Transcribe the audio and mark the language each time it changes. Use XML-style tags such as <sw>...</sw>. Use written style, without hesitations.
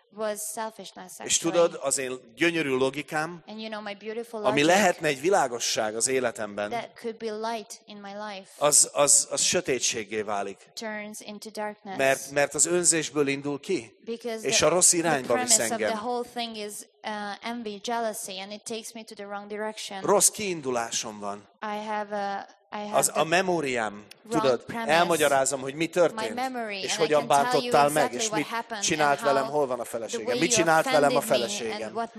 <en>Was selfishness, actually.</en> <hu>És tudod, az én gyönyörű logikám,</hu> <en>and you know, my beautiful</en> <hu>logic, ami lehetne egy világosság az életemben,</hu> <en>that could be light in my life,</en> <hu>az sötétséggé válik.</hu> <en>Turns into darkness.</en> <hu>Mert az önzésből indul ki,</hu> <en>because</en> <hu>és a rossz irányba visz engem.</hu> <en>The whole thing is envy, jealousy, and it takes me to the wrong direction.</en> <hu>Rossz kiindulásom van.</hu> <en>I have a</en> <hu>az a memóriám, tudod, elmagyarázom, hogy mi történt, és hogyan bántottál meg, és mit csinált velem, hol van a feleségem, mit csinált velem a feleségem,</hu>